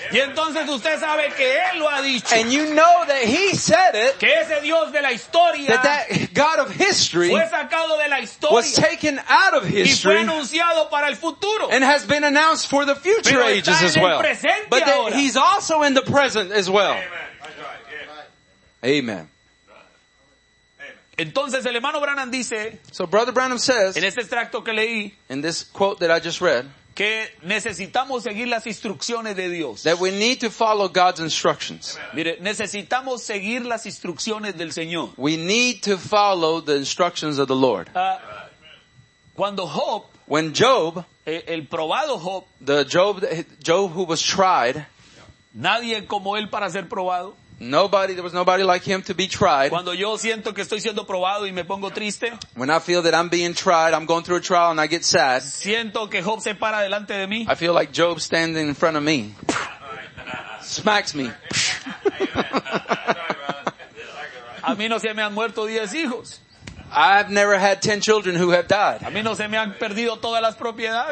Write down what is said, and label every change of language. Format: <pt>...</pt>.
<es>Y entonces usted sabe que él lo ha dicho.</es> <en>And you know that he said it.</en> <es>Que ese Dios de la historia.</es> <en>That God of history was taken out of history and has been announced for the future ages as well. But that he's also in the present as well. Amen.</en> <es>Entonces el hermano Branham dice,</es> <en>so Brother Branham says,</en> <es>en este extracto que leí,</es> <en>in this quote that I just read,</en> <es>que necesitamos seguir las instrucciones de Dios.</es> <en>That we need to follow God's instructions.</en> <es>Mire, necesitamos seguir las instrucciones del Señor.</es> <en>We need to follow the instructions of the Lord.</en> <es>Cuando Job,</es> <en>when Job,</en> <es>el probado Job,</es> <en>the Job who was tried,</en> <es>nadie como él para ser probado.</es> <en>Nobody, there was nobody like him to be tried.</en> <es>Cuando yo siento que estoy siendo probado y me pongo triste.</es> <en>When I feel that I'm being tried, I'm going through a trial and I get sad.</en> <es>Siento que Job se para delante de mí.</es> <en>I feel like Job standing in front of me. Smacks me.</en> <es>A mí no se me han muerto 10 hijos.</es> <en>I've never had 10 children who have died.</en> <es>A mí no se me han perdido todas las propiedades.</es>